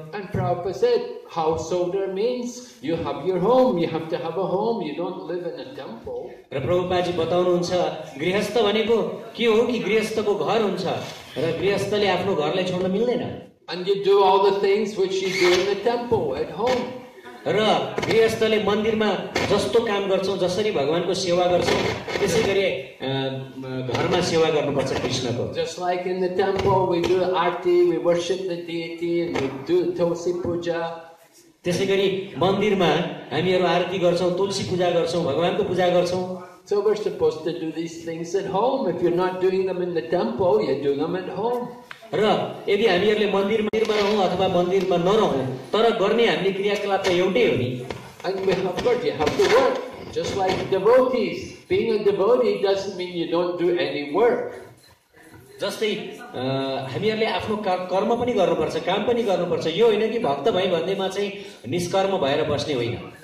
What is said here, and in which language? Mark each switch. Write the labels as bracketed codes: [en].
[en] and prabhupada said householder means you have your home you have to have a home you don't live in a temple [ne] र प्रभुपाद जी बताउनु हुन्छ गृहस्थ भनेको के हो कि गृहस्थको घर हुन्छ र गृहस्थले आफ्नो घरलाई छोड्न मिल्दैन [en] and you do all the things which you do in the temple at home [ne] र गृहस्थले मन्दिरमा जस्तो काम गर्छौ जसरी भगवानको सेवा गर्छौ त्यसैगरी घरमा सेवा गर्नुपर्छ कृष्णको [en] just like in the temple we do arti we worship the deity we do tulsi puja [ne] त्यसैगरी मन्दिरमा हामीहरू आरती गर्छौ तुलसी पूजा गर्छौ भगवानको पूजा गर्छौ [en] so we're supposed to do these things at home if you're not doing them in the temple you're doing them at home [ne] र यदि हामीहरूले मन्दिरमा रहौँ अथवा मन्दिरमा नरहौँ तर गर्ने हामीले क्रियाकलाप त एउटै हो नि जस्तै हामीहरूले आफ्नो कर्म पनि गर्नुपर्छ काम पनि गर्नुपर्छ यो होइन कि भक्त भए भन्दैमा चाहिँ निष्कर्म भएर बस्ने होइन